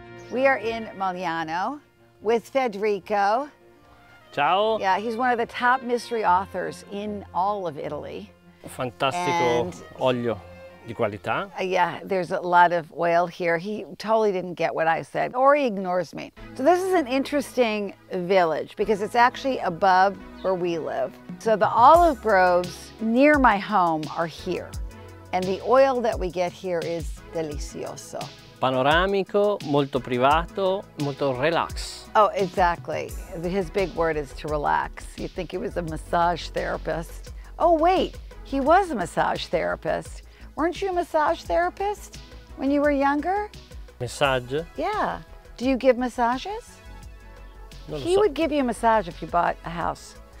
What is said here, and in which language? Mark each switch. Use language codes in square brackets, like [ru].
[en] We are in Mogliano with Federico. [it] Ciao. [en] Yeah, he's one of the top mystery authors in all of Italy. [it] Fantastico and olio di qualità. [en] Yeah, there's a lot of oil here. He totally didn't get what I said, or he ignores me. So this is an interesting village because it's actually above where we live. So the olive groves near my home are here. And the oil that we get here is delicioso. [it] Panoramico, molto privato, molto relax. [en] Oh, exactly. His big word is to relax. You'd think he was a massage therapist. Oh, wait, he was a massage therapist. Weren't you a massage therapist when you were younger? Massage? Yeah. Do you give massages? He would give you a massage if you bought a house.